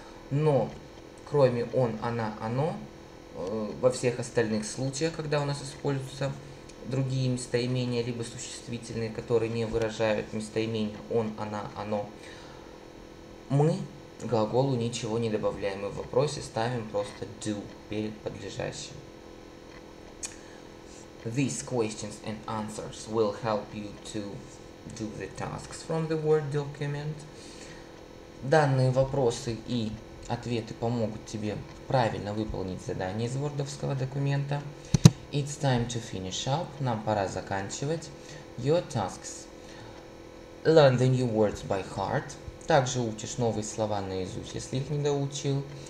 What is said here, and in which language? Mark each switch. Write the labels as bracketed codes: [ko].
[ru] Но кроме он, она, оно, во всех остальных случаях, когда у нас используются другие местоимения, либо существительные, которые не выражают местоимение он, она, оно, мы глаголу ничего не добавляем и в вопросе ставим просто do перед подлежащим. [en] These questions and answers will help you to do the tasks from the Word document. [ru] Данные вопросы и ответы помогут тебе правильно выполнить задание из Word-овского документа. [en] It's time to finish up. [ru] Нам пора заканчивать. [en] Your tasks. Learn the new words by heart. [ru] Также учишь новые слова наизусть, если их не доучил.